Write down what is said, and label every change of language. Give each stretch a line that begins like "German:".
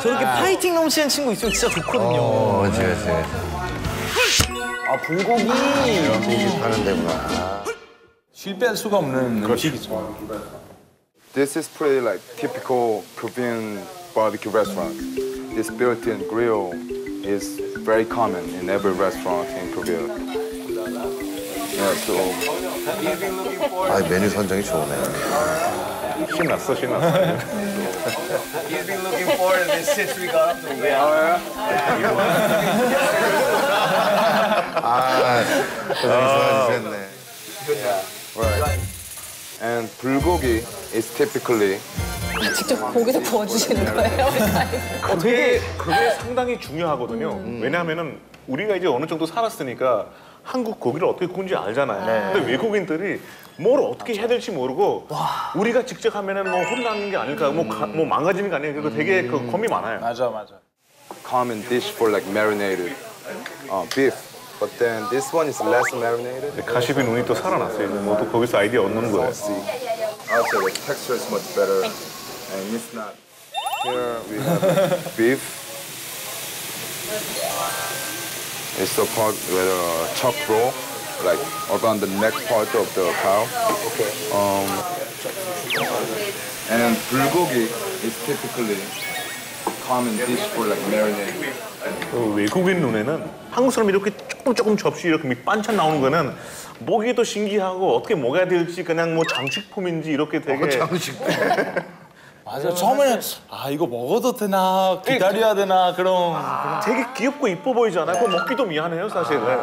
Korean: 저렇게 파이팅 넘치는 친구 있으면 진짜 좋거든요. 어, 지금. 아 불고기. 불고기 파는 데구나. 실패할 수가 없는 음식이죠.
English: This is pretty like typical Korean barbecue restaurant. This built-in grill is very common in every restaurant in Korea. Yeah, so.
Korean: 아 메뉴 선정이 좋네. 신났어, 신났어.
English: He has been looking forward to this since we got up to here. Yeah. Oh, yeah. Right. And 불고기 is typically.
Korean: 아, 직접 고기도 구워주시는 거예요? 되게 그게 상당히 중요하거든요. 왜냐하면은 우리가 이제 어느 정도 살았으니까 한국 고기를 어떻게 구운지 알잖아요. 네. 근데 외국인들이 뭘 어떻게 해야 될지 모르고 와. 우리가 직접 하면은 뭐 혼나는 게 아닐까, 뭐 망가지는 게 아닐까, 그거 되게 그 겁이 많아요. 맞아, 맞아.
English: Common dish for like marinated beef. But then this one is less marinated.
Korean: 가시비 눈이 또 살아났어요. 이제 모두 거기서 아이디어 얻는 거예요.
English: Also, the texture is much better, and it's not. Here we have beef. It's the part with a chuck roll, like around the neck part of the cow. Okay. And 불고기 is typically common dish for like marinated.
Korean: 그 외국인 눈에는 한국 사람이 이렇게 조금 접시 이렇게 반찬 나오는 거는 먹이도 신기하고 어떻게 먹어야 될지 그냥 뭐 장식품인지 이렇게 되게 어, 장식품 맞아 처음에 아 이거 먹어도 되나 기다려야 되나 그런 되게 귀엽고 이뻐 보이잖아 그거 먹기도 미안해요 사실